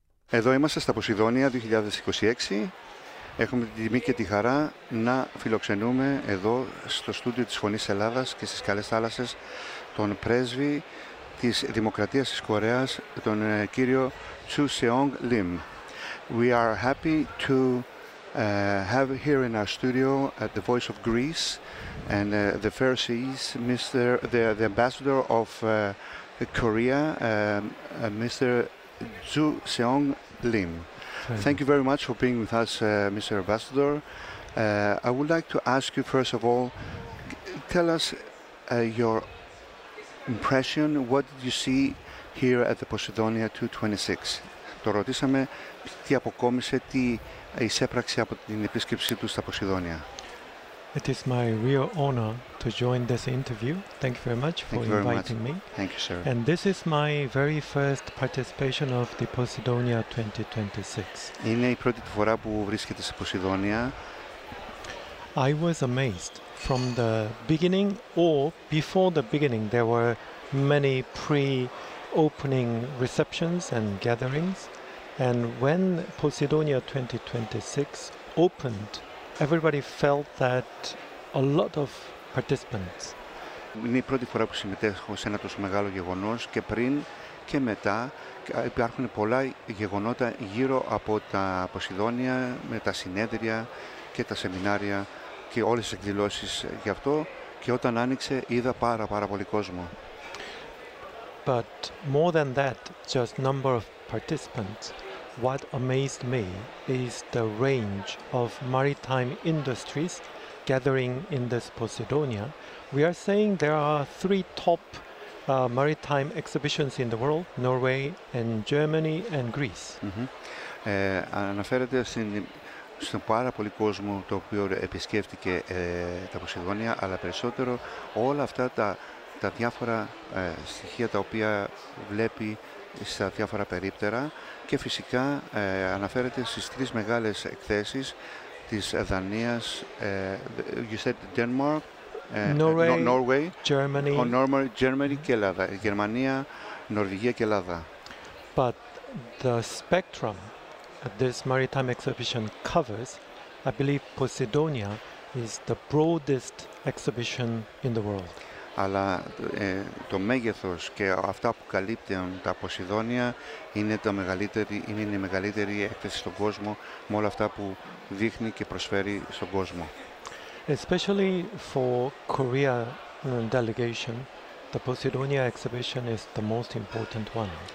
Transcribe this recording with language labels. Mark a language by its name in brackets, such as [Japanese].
[Greek] Εδώ είμαστε στα Ποσειδόνια 2026. Έχουμε την τιμή και τη χαρά να φιλοξενούμε εδώ στο στούντιο της Φωνής Ελλάδας και στις καλές θάλασσες τον πρέσβη της Δημοκρατίας της Κορέας, τον κύριο Τσου Σεόγκ Λιμ. [English] We are happy to have here in our studio at the Voice of Greece and the Pharisees, Mr. the Ambassador of Korea, Mr. Tsu Seong Lim. Thank you very much for being with us, Mr. Ambassador. I would like to ask you, first of all, tell us your impression. What did you see here at the Ποσειδόνια 2026? [Greek] Το ρωτήσαμε τι αποκόμισε, τι εισέπραξε από την επίσκεψή του στα Ποσειδόνια. [English] It is my real honor to join this interview. Thank you very much for inviting me. Thank you, sir. And this is my very first participation of the Ποσειδόνια 2026. [Greek] Είναι η πρώτη φορά που βρίσκεται σε Ποσειδόνια. [English] I was amazed from the beginning, or before the beginning, there were many pre-opening receptions and gatherings. And when Ποσειδόνια 2026 opened, everybody felt that a lot of participants. [Greek] Είναι η πρώτη φορά που συμμετέχω σε ένα τόσο μεγάλο γεγονός, και πριν και μετά υπάρχουν πολλά γεγονότα γύρω από τα Ποσειδόνια, με τα συνέδρια και τα σεμινάρια και όλες τις εκδηλώσεις γι' αυτό, και όταν άνοιξε είδα πάρα πολύ κόσμο. [English] But more than that, just number of participants, what amazed me is the range of maritime industries gathering in this Ποσειδόνια. We are saying there are three top maritime exhibitions in the world, Norway and Germany and Greece. [Greek] Αναφέρεται στον πάρα πολύ κόσμο το οποίο επισκέφτηκε τα Ποσειδόνια, αλλά περισσότερο όλα αυτά τα διάφορα στοιχεία τα οποία βλέπει στα διάφορα περίπτερα, και φυσικά αναφέρεται στις τρεις μεγάλες εκθέσεις της Δανίας, you said Denmark, [English] Norway, Norway, Germany, [Greek] Norway, Germany και Ελλάδα, Γερμανία, Νορβηγία και Ελλάδα. [English] But the spectrum that this maritime exhibition covers, I believe Ποσειδόνια is the broadest exhibition in the world. [Greek] Αλλά το μέγεθος και αυτά που καλύπτουν τα Ποσειδόνια είναι η μεγαλύτερη έκθεση στον κόσμο, με όλα αυτά που δείχνει και προσφέρει στον κόσμο. [English] Especially for Korea delegation, the Ποσειδόνια exhibition is the most important one.